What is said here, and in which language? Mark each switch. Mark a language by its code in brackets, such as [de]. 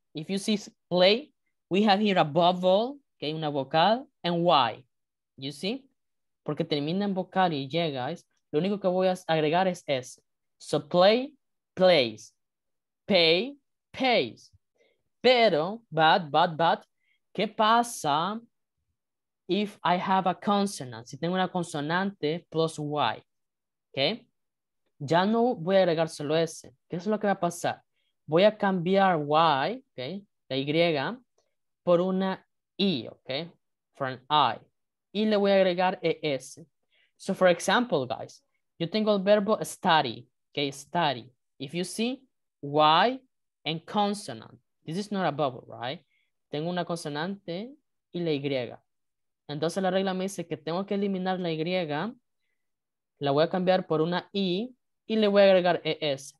[en] If you see play, we have here a bubble, ok? [es] Una vocal, [en] and Y. You see? [es] Porque termina en vocal y llega, es, lo único que voy a agregar es S. [en] So play, plays. Pay, pays. [es] Pero, but, ¿qué pasa? [en] If I have a consonant, [es] si tengo una consonante [en] plus Y, ¿ok? [es] Ya no voy a agregar solo S. ¿Qué es lo que va a pasar? Voy a cambiar Y, ¿ok? La Y, por una I, ¿ok? [en] For an I. [es] Y le voy a agregar ES. [en] So, for example, guys, [es] yo tengo el verbo [en] study, ¿ok? Study. If you see Y and consonant, this is not a bubble, right? [es] Tengo una consonante y la Y. Entonces la regla me dice que tengo que eliminar la Y, la voy a cambiar por una I y le voy a agregar ES.